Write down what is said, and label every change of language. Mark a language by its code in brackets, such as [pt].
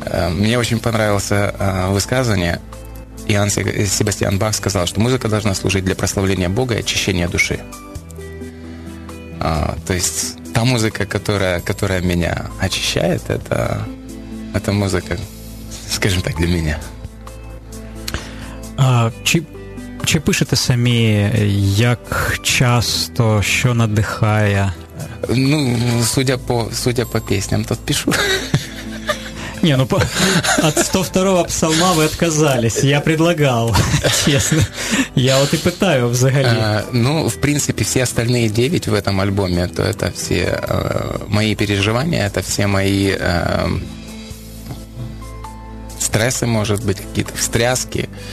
[ru] Мне очень понравилось высказывание. Иоанн Себастьян Бах сказал, что музыка должна служить для прославления Бога и очищения души. То есть та музыка, которая меня очищает, это музыка, скажем так, для меня. [uk] Чи пишете самі, як часто, що надихає? [ru] Ну, судя по песням, то пишу. Не, ну от 102-го псалма вы отказались. Я предлагал, честно. Я вот и пытаю взагалі. Ну, в принципе, все остальные 9 в этом альбоме, то это все мои переживания, это все мои стрессы, может быть, какие-то встряски.